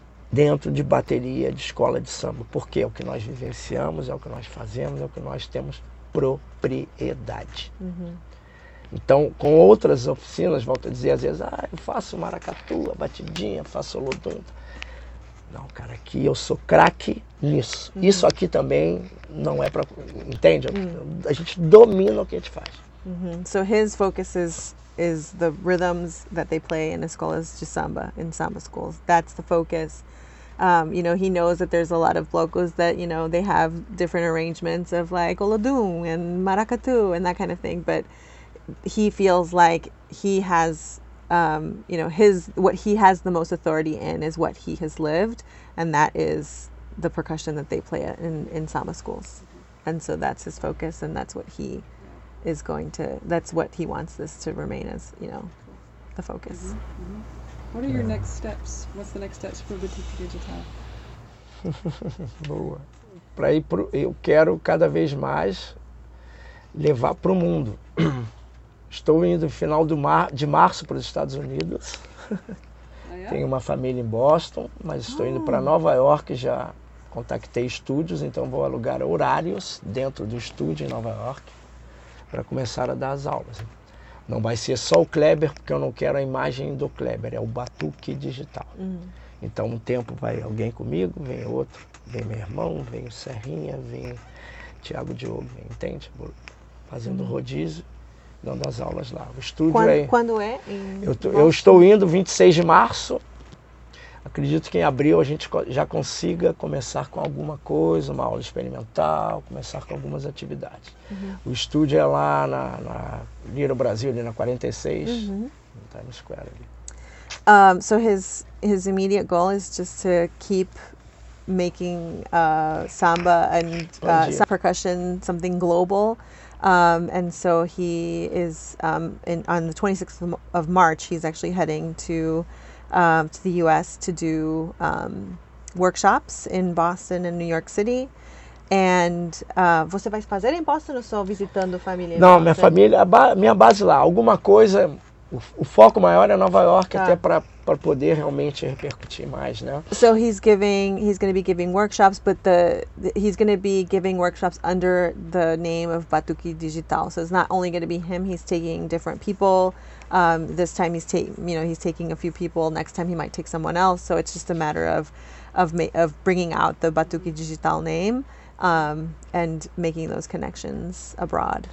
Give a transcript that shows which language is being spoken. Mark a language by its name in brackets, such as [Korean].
[Portuguese] Dentro de bateria, de escola de samba. Porque é o que nós vivenciamos, é o que nós fazemos, é o que nós temos propriedade. Uhum. Então, com outras oficinas, volto a dizer, às vezes, ah, eu faço maracatu, a batidinha, faço lodunda. Não, cara, aqui eu sou craque nisso. Uhum. Isso aqui também não é para... Entende? Uhum. A gente domina o que a gente faz. Uhum. [English] So his focus is the rhythms that they play in escolas de samba, in samba schools. That's the focus. You know, he knows that there's a lot of blocos that, you know, they have different arrangements of like olodum and maracatu and that kind of thing, but... He feels like he has, you know, his what he has the most authority in is what he has lived, and that is the percussion that they play in samba schools, and so that's his focus, and that's what he is going to. That's what he wants this to remain as, you know, the focus. Mm-hmm. Mm-hmm. What are your next steps? What's the next steps for Batuque Digital? [Portuguese] Boa. Para ir pro, eu quero cada vez mais levar pro mundo. Estou indo no final do de março para os Estados Unidos. Tenho uma família em Boston, mas estou indo para Nova York. Já contactei estúdios, então vou alugar horários dentro do estúdio em Nova York para começar a dar as aulas. Não vai ser só o Kleber, porque eu não quero a imagem do Kleber, é o Batuque Digital. Então um tempo vai alguém comigo, vem outro, vem meu irmão, vem o Serrinha, vem o Thiago Diogo, vem, entende? Vou fazendo rodízio. Dando as aulas lá. O estúdio quando, é... Quando é? Eu estou indo 26 de março. Acredito que em abril a gente já consiga começar com alguma coisa, uma aula experimental, começar com algumas atividades. Uhum. O estúdio é lá na Lira Brasil, ali na 46, uhum. Times Square ali. [English] So his immediate goal is just to keep making samba and percussion something global. And so he is on the 26th of March. He's actually heading to the U.S. to do workshops in Boston and New York City. [Portuguese] And você vai fazer em Boston ou só visitando família? Não, minha família, minha base lá. Alguma coisa. O foco maior é Nova York, tá. Até para poder realmente repercutir mais, né? [English] So he's going to be giving workshops, but he's going to be giving workshops under the name of Batuque Digital. So it's not only going to be him, he's taking different people. This time he's taking a few people. Next time he might take someone else. So it's just a matter of bringing out the Batuque Digital name and making those connections abroad.